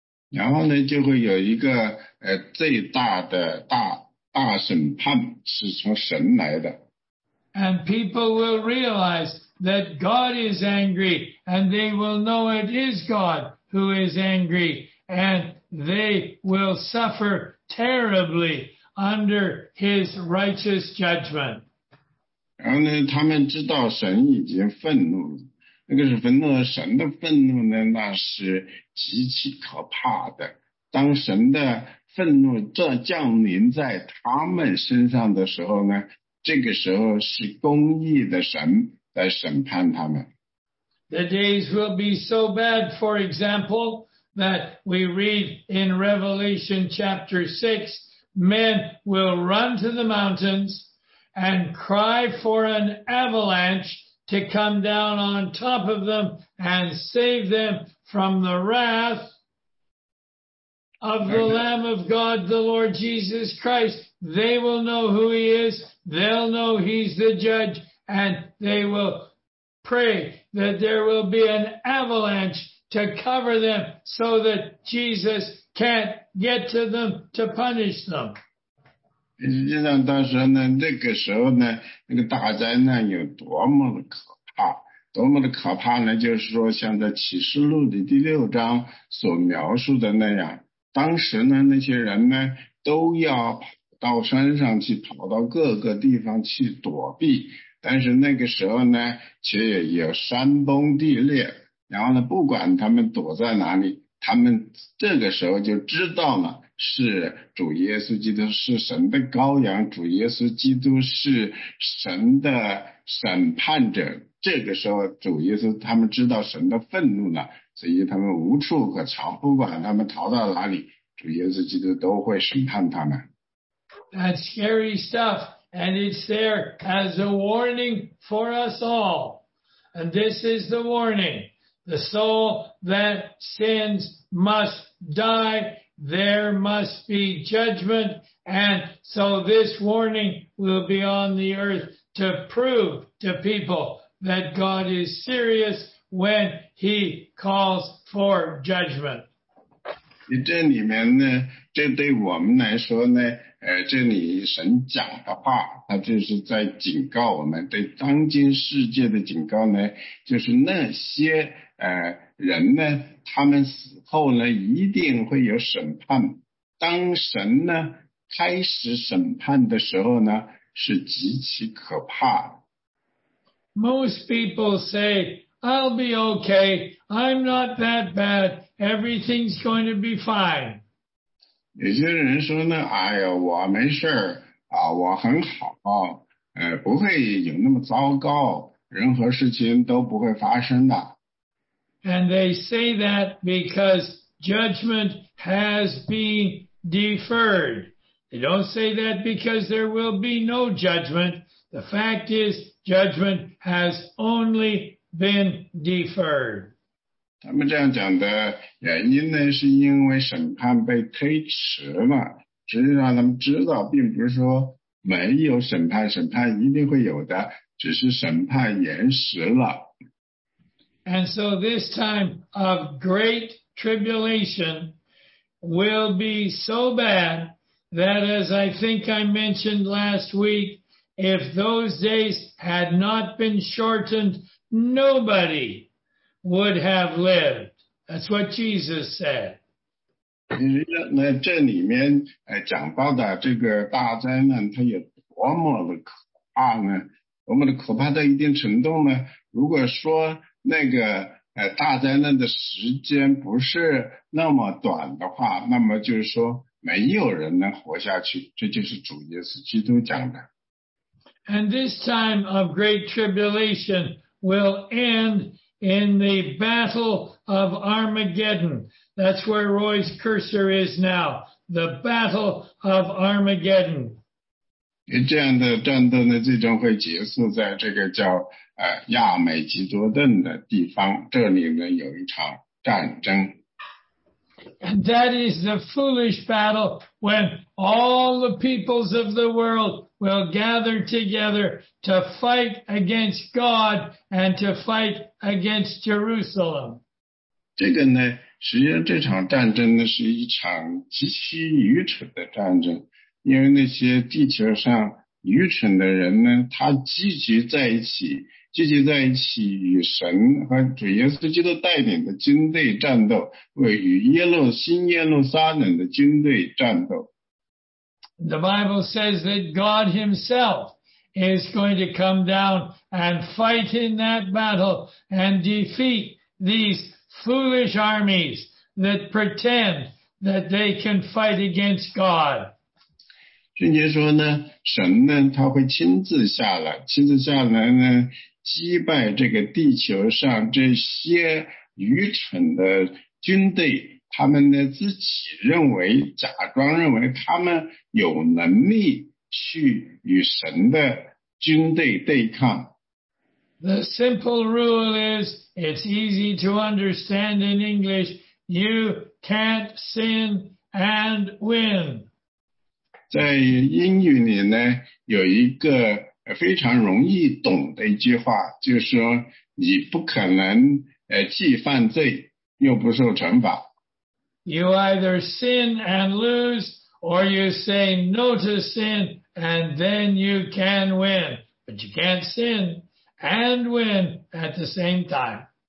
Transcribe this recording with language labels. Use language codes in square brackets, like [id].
[zh] 然后呢，就会有一个最大的大审判是从神来的。 [en] And people will realize that God is angry, and they will know it is God who is angry, and they will suffer terribly under his righteous judgment. [zh] 然后呢，他们知道神已经愤怒了，那个是愤怒，神的愤怒呢，那是极其可怕的。当神的愤怒这降临在他们身上的时候呢，这个时候是公义的神在审判他们。 [en] The days will be so bad, for example, that we read in Revelation chapter 6, men will run to the mountains and cry for an avalanche to come down on top of them and save them from the wrath of the Lamb of God, the Lord Jesus Christ. They will know who he is, they'll know he's the judge, and they will pray that there will be an avalanche to cover them so that Jesus can't get to them to punish them. [zh] 实际上到时候呢，那个时候呢，那个大灾难有多么的可怕，多么的可怕呢？就是说像在启示录的第六章所描述的那样，当时呢，那些人呢，都要跑到山上去，跑到各个地方去躲避，但是那个时候呢，却也有山崩地裂，然后呢，不管他们躲在哪里，他们这个时候就知道了是主耶稣基督是神的羔羊，主耶稣基督是神的审判者。这个时候主耶稣他们知道神的愤怒了，所以他们无处可逃，不管他们逃到哪里，主耶稣基督都会审判他们。 [en] That's scary stuff, and it's there as a warning for us all. And this is the warning: the soul that sins must die. There must be judgment, and so this warning will be on the earth to prove to people that God is serious when he calls for judgment. [zh] 这里面呢，这对我们来说呢，这里神讲的话，他就是在警告我们，对当今世界的警告呢，就是那些人呢，他们死后呢，一定会有审判。当神呢开始审判的时候呢，是极其可怕的。 [en] Most people say, "I'll be okay. I'm not that bad. Everything's going to be fine." [zh] 有些人说呢，哎呀，我没事儿啊，我很好，不会有那么糟糕，任何事情都不会发生的。 [en] And they say that because judgment has been deferred. They don't say that because there will be no judgment. The fact is, judgment has only been deferred. [zh] 他们这样讲的原因呢，是因为审判被推迟了。实际上他们知道并不是说没有审判，审判一定会有的，只是审判延时了。 [en] And so this time of great tribulation will be so bad that, as I think I mentioned last week, if those days had not been shortened, nobody would have lived. That's what Jesus said. [zh] 那这里面讲到的这个大灾难，它有多么的可怕呢？多么的可怕到一定程度呢？如果说那个大灾难的时间不是那么短的话，那么就是说没有人能活下去，这就是主耶稣基督讲的。 [en] And this time of great tribulation will end in the battle of Armageddon. That's where Roy's cursor is now. The battle of Armageddon. [zh] 这样的战斗呢，最终会结束在这个叫亚美吉多顿的地方，这里呢有一场战争。 [en] And that is the foolish battle when all the peoples of the world will gather together to fight against God and to fight against Jerusalem. [zh] 这个呢，实际上这场战争呢是一场极其愚蠢的战争，因为那些地球上愚蠢的人呢，他聚集在一起，聚集在一起与神和主耶稣基督带领的军队战斗，为与新耶路撒冷的军队战斗。 [en] The Bible says that God himself is going to come down and fight in that battle and defeat these foolish armies that pretend that they can fight against God. [zh] 圣经说呢，神呢他会亲自下来呢击败这个地球上这些愚蠢的军队，他们呢自己认为，假装认为他们有能力去与神的军队对抗。 [en] The simple rule is, it's easy to understand in English, you can't sin and win. [zh] 在英语里呢，有一个非常容易懂的一句话，就是说你不可能既犯罪又不受惩罚。 [en] You either sin and lose, or you say no to sin, and then you can win. But you can't sin and win at the same time.